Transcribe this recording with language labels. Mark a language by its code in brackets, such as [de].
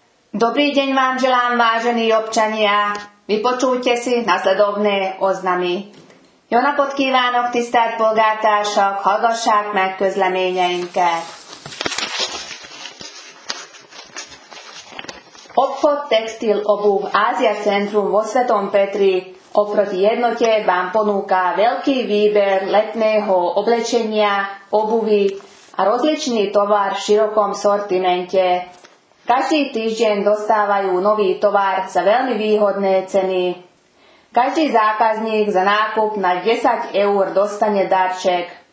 [sk] Dobrý deň vám želám, vážení občania. Vypočujte si nasledovné oznamy. [hu] Jó napot kívánok, tisztelt polgártársak, hallgassák meg közleményeinket. [sk] Obchod textil obuv Ázia Centrum vo Svetom Petri oproti jednote vám ponúka veľký výber letného oblečenia, obuvy a rozličný tovar v širokom sortimente. Každý týždeň dostávajú nový tovar za veľmi výhodné ceny. Každý zákazník za nákup na 10 eur dostane darček.